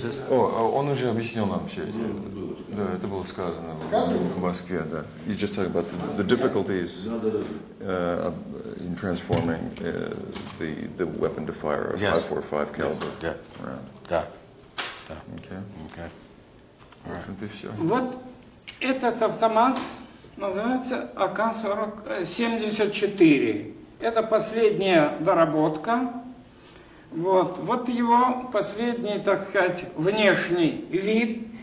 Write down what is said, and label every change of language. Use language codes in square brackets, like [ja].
[ru] Он уже объяснил нам все эти. Да, это было сказано в Москве, да. [en] You just talked about the difficulties in transforming the weapon to fire a 5.45 caliber. [ru] Да. Да. Да. Окей. Вот этот автомат называется АК-74. Это последняя доработка. Вот, вот его последний, так сказать, внешний вид.